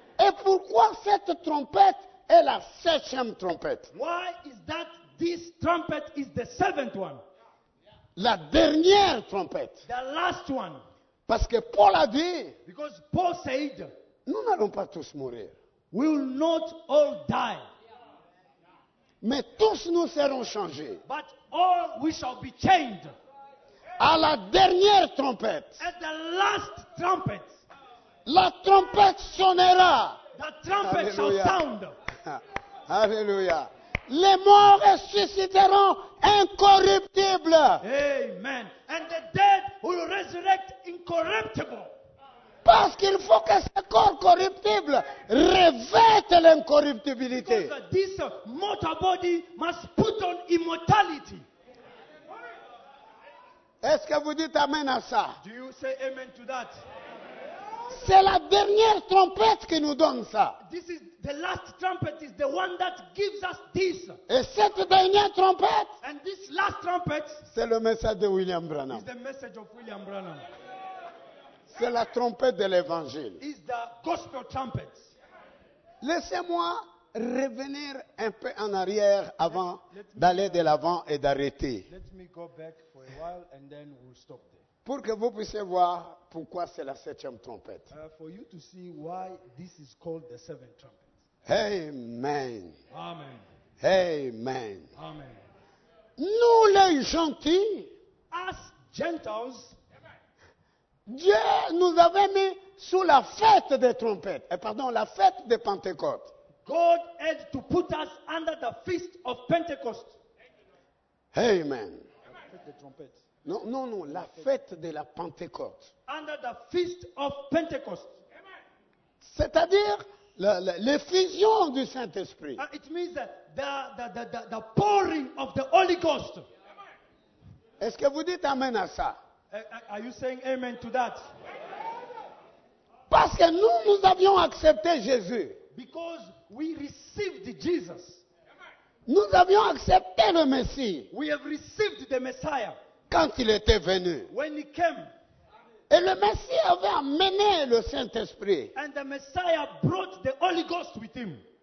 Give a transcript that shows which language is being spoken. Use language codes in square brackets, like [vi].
[fr] Et pourquoi cette trompette est la septième trompette? [en] Why is that this trumpet is the seventh one? [fr] La dernière trompette. [en] The last one. [fr] Parce que Paul a dit. [en] Because Paul said. [fr] Nous n'allons pas tous mourir. [en] We will not all die. [fr] Mais tous nous serons changés. [en] But all we shall be changed. [fr] À la dernière trompette. [en] At the last trumpet. [fr] La trompette sonnera. [en] The trumpet Alleluia. Shall sound. [fr] Alléluia. Les morts ressusciteront incorruptibles. [en] Amen. And the dead will resurrect incorruptible. [fr] Parce qu'il faut que ce corps corruptible revête l'incorruptibilité. [en] This mortal body must put on immortality. [fr] Est-ce que vous dites amen à ça? [en] Do you say amen to that? [fr] C'est la dernière trompette qui nous donne ça. [en] This is the last trumpet is the one that gives us this. [fr] Et cette dernière trompette? [en] And this last trumpet? [fr] C'est le message de William Branham. [en] Is the message of William Branham. [fr] C'est la trompette de l'évangile. [en] Is the gospel trumpet. [fr] Laissez-moi revenir un peu en arrière avant d'aller de l'avant et d'arrêter. [en] Let me go back for a while and then we'll stop there. [fr] Pour que vous puissiez voir pourquoi c'est la septième trompette. [en] For you to see why this is called the seventh trumpet. Amen. Amen. Amen. Amen. [fr] Nous les gentils, [en] as gentiles, [fr] Dieu nous avait mis sous la fête des trompettes, la fête de Pentecôte. [en] God had to put us under the feast of Pentecost. Amen. Amen. [fr] Non, la fête de la Pentecôte. [en] Under the feast of Pentecost. Amen. [fr] C'est-à-dire l'effusion du Saint-Esprit. [en] It means the pouring of the Holy Ghost. Amen. [fr] Est-ce que vous dites amen à ça? [en] Are you saying amen to that? [fr] Parce que nous avions accepté Jésus. [en] Because we received Jesus. [fr] Nous avions accepté le Messie. [en] We have received the Messiah. [fr] Quand il était venu. [en] When he came. [fr] Et le Messie avait amené le Saint-Esprit. [en] And the Messiah brought the Holy Ghost with him.